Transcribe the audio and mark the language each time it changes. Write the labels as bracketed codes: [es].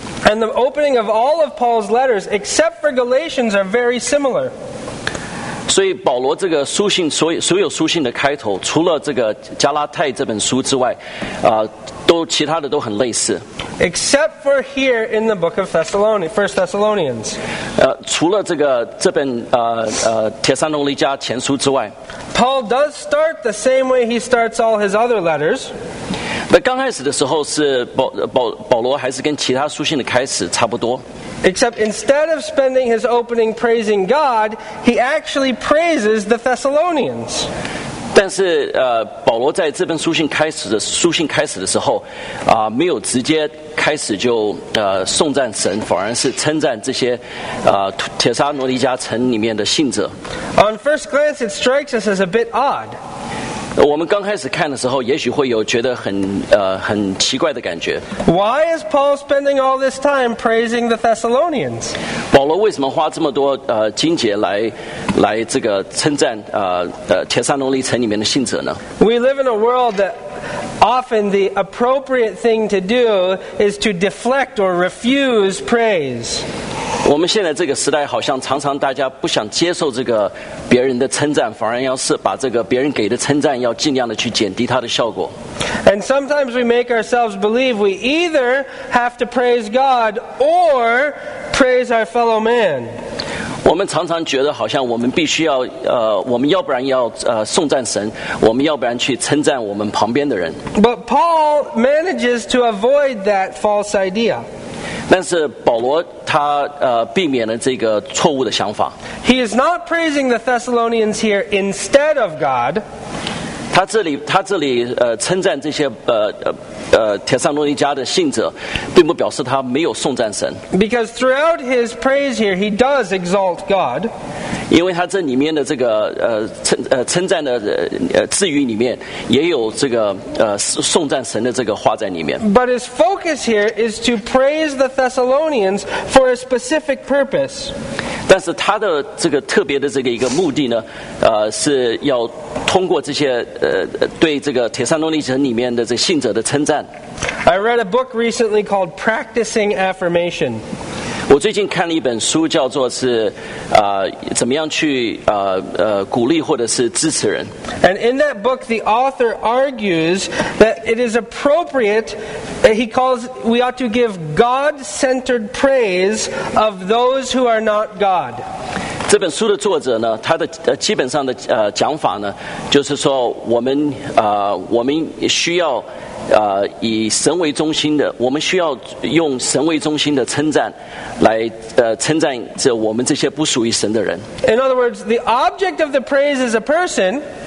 [en] And the opening of all of Paul's letters except for Galatians are very similar. [zh] 所以保罗这个书信所有书信的开头除了这个加拉太这本书之外都其他的都很类似 [en] except for here in the book of Thessalonians, First Thessalonians. [zh] 除了这本帖撒罗尼迦前书之外 [en] Paul does start the same way he starts all his other letters. [zh] 那刚开始的时候是 保罗还是跟其他书信的开始差不多 [en] Except instead of spending his opening praising God, he actually praises the Thessalonians. [zh] 但是保罗在这本书信开始的时候，没有直接开始就颂赞神，反而是称赞这些帖撒罗尼迦城里面的信者。 [en] On first glance, it strikes us as a bit odd. [zh] 我们刚开始看的时候，也许会有觉得很奇怪的感觉。 [en] Why is Paul spending all this time praising the Thessalonians? [zh] 保罗为什么花这么多经节来这个称赞帖撒罗尼城里面的信者呢 [en] ？We live in a world that often the appropriate thing to do is to deflect or refuse praise. [zh] 我们现在这个时代好像常常大家不想接受这个别人的称赞反而要是把这个别人给的称赞要尽量的去减低它的效果 [en] And sometimes we make ourselves believe we either have to praise God or praise our fellow man [zh] 我们常常觉得好像我们必须要我们要不然要颂赞神我们要不然去称赞我们旁边的人 [en] But Paul manages to avoid that false idea [zh] 但是保罗他避免了这个错误的想法。 [en] He is not praising the Thessalonians here instead of God. [zh] 他这里称赞这些帖撒罗尼迦的信者，并不表示他没有颂赞神。 [en] Because throughout his praise here, he does exalt God. [zh] 因为他这里面的这个称赞的字语里面，也有这个颂赞神的这个话在里面。 [en] But his focus here is to praise the Thessalonians for a specific purpose. [zh] 但是他的这个特别的这个一个目的呢，是要通过这些对这个帖撒罗尼迦里面的这信者的称赞。 [en] I read a book recently called Practicing Affirmation. [zh] 我最近看了一本书，叫做是怎么样去鼓励或者是支持人。 [en] And in that book, the author argues that it is appropriate. He calls we ought to give God-centered praise of those who are not God. [zh] 这本书的作者呢，他的基本上的讲法呢，就是说我们需要。以神为中心的，我们需要用神为中心的称赞来称赞这我们这些不属于神的人。 [en] In other words, the object of the praise is a person.